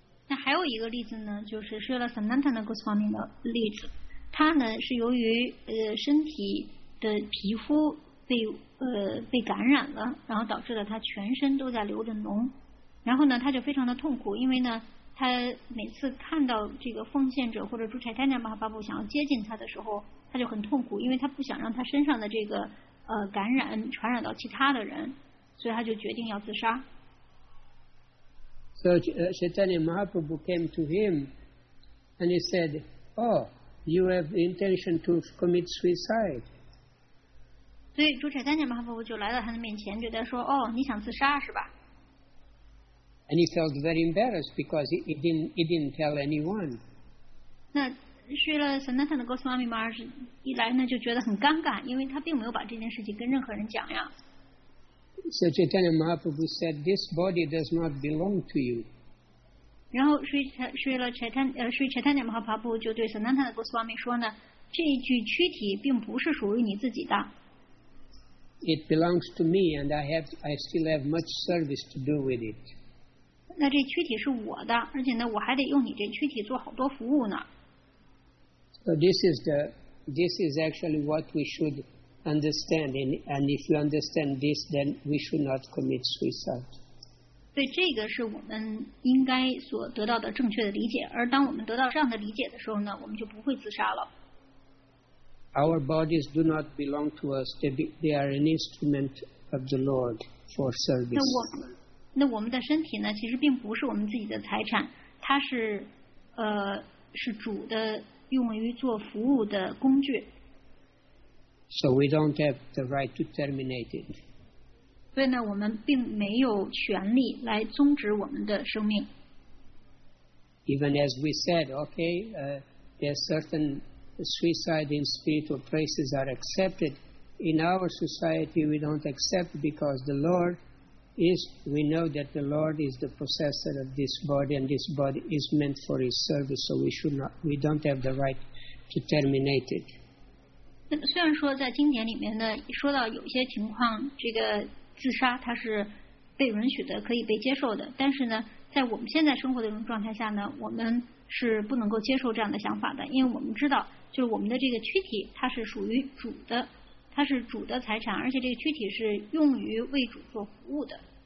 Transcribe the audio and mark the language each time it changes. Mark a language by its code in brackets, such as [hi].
[zh] 那还有一个例子呢，就是说了 Sanatana Goswami 的例子，他呢是由于身体的皮肤被感染了，然后导致了他全身都在流着脓，然后呢他就非常的痛苦，因为呢他每次看到这个奉献者或者主持人马哈巴布想要接近他的时候，他就很痛苦，因为他不想让他身上的这个感染传染到其他的人，所以他就决定要自杀。 [en] So Chaitanya Mahaprabhu came to him and he said, oh, you have the intention to commit suicide. [zh] 所以主持人马哈巴布就来到他的面前，就在说，哦，你想自杀是吧？ [en] And he felt very embarrassed because he didn't tell anyone. [zh] 那去了 Sanatana Goswami Maharaj 一来呢，就觉得很尴尬，因为他并没有把这件事情跟任何人讲呀。 [en] So Chaitanya Mahaprabhu said, this body does not belong to you. [zh] 然后Sri Chaitanya Mahaprabhu 就对 Sanatana Goswami 说呢，这一具躯体并不是属于你自己的。 [en] It belongs to me, and I still have much service to do with it. [zh] 那这躯体是我的，而且呢，我还得用你这躯体做好多服务呢。 [en] So this is actually what we should understand, and if you understand this, then we should not commit suicide. [zh] 对，这个是我们应该所得到的正确的理解。而当我们得到这样的理解的时候呢，我们就不会自杀了。 [en] Our bodies do not belong to us; they are an instrument of the Lord for service. [zh] 那我们的身体呢，其实并不是我们自己的财产，它是是主的用于做服务的工具。 [en] So we don't have the right to terminate it. [zh] 所以呢，我们并没有权利来终止我们的生命。 [en] Even as we said, okay, there are certain suicide in spiritual places are accepted. In our society, we don't accept because the Lord is. We know that the Lord is the possessor of this body, and this body is meant for His service. So we should not. We don't have the right to terminate it. [zh] 虽然说在经典里面呢，说到有些情况，这个自杀它是被允许的，可以被接受的。但是呢，在我们现在生活的这种状态下呢，我们是不能够接受这样的想法的，因为我们知道，就是我们的这个躯体它是属于主的，它是主的财产，而且这个躯体是用于为主做服务的。